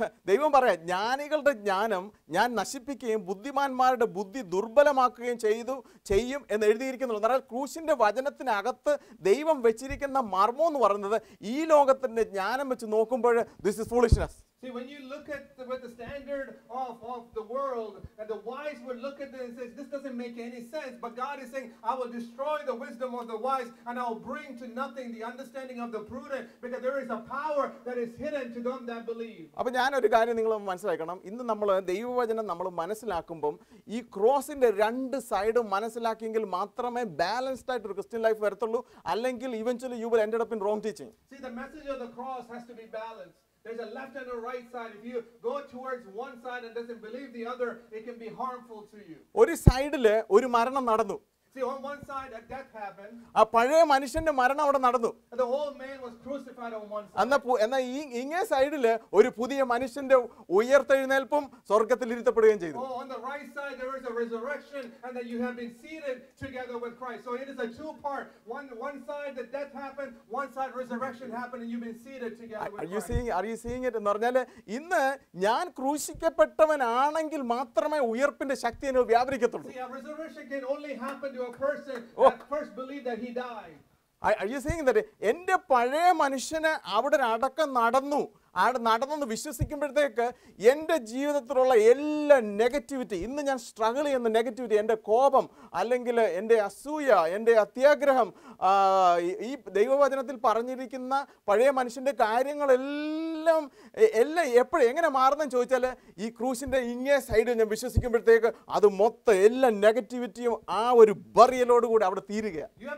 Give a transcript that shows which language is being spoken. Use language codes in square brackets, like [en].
[ml] ദൈവം പറയാ ജ്ഞാനികളുടെ ജ്ഞാനം ഞാൻ നശിപ്പിക്കുകയും ബുദ്ധിമാന്മാരുടെ ബുദ്ധി ദുർബലമാക്കുകയും ചെയ്യും എന്ന് എഴുതിയിരിക്കുന്നുള്ളു. എന്നാൽ ക്രൂശിന്റെ വചനത്തിനകത്ത് ദൈവം വെച്ചിരിക്കുന്ന മർമ്മം എന്ന് പറയുന്നത് ഈ ലോകത്തിന്റെ ജ്ഞാനം വെച്ച് നോക്കുമ്പോൾ [en] This is foolishness. See, when you look at with the standard of the world, and the wise would look at this and say, this doesn't make any sense. But God is saying, I will destroy the wisdom of the wise, and I will bring to nothing the understanding of the prudent, because there is a power that is hidden to them that believe. [ml] അപ്പൊ ഞാനൊരു കാര്യം നിങ്ങൾ മനസ്സിലാക്കണം. ഇന്ന് നമ്മൾ ദൈവവചനം നമ്മൾ മനസ്സിലാക്കുമ്പം ഈ ക്രോസിന്റെ രണ്ട് സൈഡും മനസ്സിലാക്കിയെങ്കിൽ മാത്രമേ ബാലൻസ്ഡ് ആയിട്ട് ഒരു ക്രിസ്ത്യൻ ലൈഫ് വരത്തുള്ളൂ. അല്ലെങ്കിൽ [en] Eventually you will end up in wrong teaching. See, the message of the cross has to be balanced. There's a left and a right side. If you go towards one side and doesn't believe the other, it can be harmful to you. [ml] ഒരു സൈഡിലെ ഒരു മരണം നടന്നു. [en] See, on one side a death happened. [ml] ആ പഴയ മനുഷ്യന്റെ മരണം അവിടെ നടന്നു. [en] The old man was crucified on one side. [ml] എന്നാ ഇങ്ങേ സൈഡിലെ ഒരു പുതിയ മനുഷ്യന്റെ ഉയർത്തെഴുന്നേൽപ്പും സ്വർഗ്ഗത്തിൽ ഇരുത്തപ്പെടുകയും ചെയ്തു. [en] Oh, on the right side there is a resurrection and that you have been seated together with Christ. So it is a two part. One side the death happened, one side resurrection happened and you've been seated together with Christ. Are you seeing it? [ml] എന്ന് പറഞ്ഞാൽ ഇന്ന് ഞാൻ ക്രൂശിക്കപ്പെട്ടവനാണെങ്കിൽ മാത്രമേ ഉയർപ്പിന്റെ ശക്തി എന്നെ വ്യാപരിക്കത്തുള്ളൂ. [en] See, a resurrection can only happen to a person that first believed that he died. Are you saying that [ml] എന്റെ പഴയ മനുഷ്യനെ അവിടെ അടക്കം നടന്നു അവിടെ നടന്നെന്ന് വിശ്വസിക്കുമ്പോഴത്തേക്ക് എൻ്റെ ജീവിതത്തിലുള്ള എല്ലാ നെഗറ്റിവിറ്റി ഇന്ന് ഞാൻ സ്ട്രഗിൾ ചെയ്യുന്ന നെഗറ്റിവിറ്റി എൻ്റെ കോപം അല്ലെങ്കിൽ എൻ്റെ അസൂയ എൻ്റെ അത്യാഗ്രഹം ഈ ദൈവവചനത്തിൽ പറഞ്ഞിരിക്കുന്ന പഴയ മനുഷ്യൻ്റെ കാര്യങ്ങളെല്ലാം എല്ലാം എപ്പോഴും എങ്ങനെ മാറുന്നെന്ന് ചോദിച്ചാൽ ഈ ക്രൂശിൻ്റെ ഇങ്ങേ സൈഡിൽ ഞാൻ വിശ്വസിക്കുമ്പോഴത്തേക്ക് അത് മൊത്തം എല്ലാ നെഗറ്റിവിറ്റിയും ആ ഒരു ബറിയലോട് കൂടി അവിടെ തീരുക.